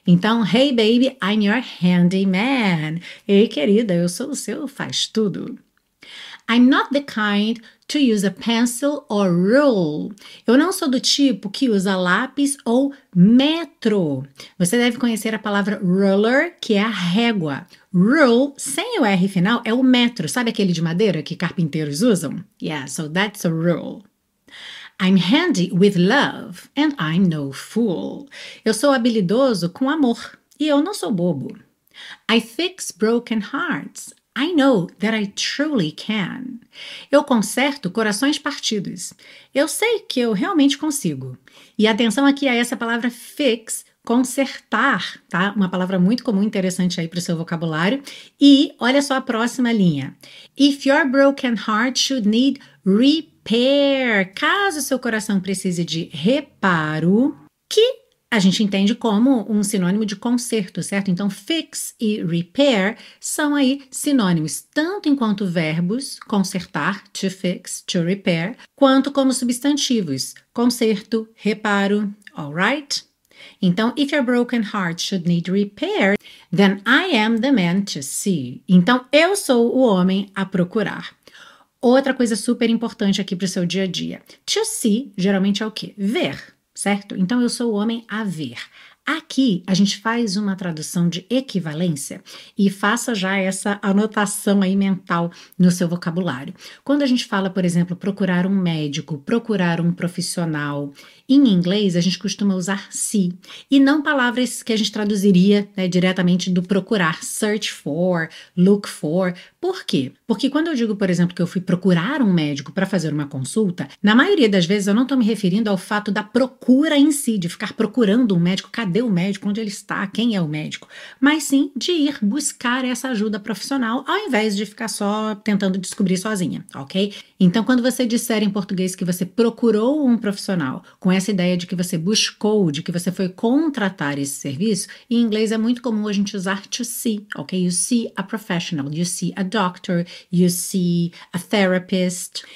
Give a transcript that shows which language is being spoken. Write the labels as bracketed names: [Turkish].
[Portuguese] Então, [English] hey baby, I'm your handyman. [Portuguese] Ei, querida, eu sou o seu faz-tudo. [English] I'm not the kind to use a pencil or rule. [Portuguese] Eu não sou do tipo que usa lápis ou metro. Você deve conhecer a palavra ruler, que é a régua. Rule, sem o R final, é o metro. Sabe aquele de madeira que carpinteiros usam? [English] Yeah, so that's a rule. I'm handy with love and I'm no fool. [Portuguese] Eu sou habilidoso com amor e eu não sou bobo. [English] I fix broken hearts. I know that I truly can. [Portuguese] Eu conserto corações partidos. Eu sei que eu realmente consigo. E atenção aqui a essa palavra fix, consertar, tá? Uma palavra muito comum, interessante aí para o seu vocabulário. E olha só a próxima linha. [English] If your broken heart should need repair. [Portuguese] Caso seu coração precise de reparo, que a gente entende como um sinônimo de conserto, certo? Então, fix e repair são aí sinônimos, tanto enquanto verbos, consertar, to fix, to repair, quanto como substantivos, conserto, reparo, alright? [English] Então, if your broken heart should need repair, then I am the man to see. [Portuguese] Então, eu sou o homem a procurar. Outra coisa super importante aqui para o seu dia a dia. To see, geralmente é o quê? Ver. Certo? Então, eu sou o homem a ver. Aqui, a gente faz uma tradução de equivalência e faça já essa anotação aí mental no seu vocabulário. Quando a gente fala, por exemplo, procurar um médico, procurar um profissional, em inglês, a gente costuma usar see e não palavras que a gente traduziria, né, diretamente do procurar, search for, look for. Por quê? Porque quando eu digo, por exemplo, que eu fui procurar um médico para fazer uma consulta, na maioria das vezes eu não estou me referindo ao fato da procura em si, de ficar procurando um médico, cadê o médico, onde ele está, quem é o médico, mas sim de ir buscar essa ajuda profissional ao invés de ficar só tentando descobrir sozinha, ok? Então, quando você disser em português que você procurou um profissional com essa ideia de que você buscou, de que você foi contratar esse serviço, em inglês é muito comum a gente usar to see, ok? [English] You see a professional, you see a doctor, you see a therapist.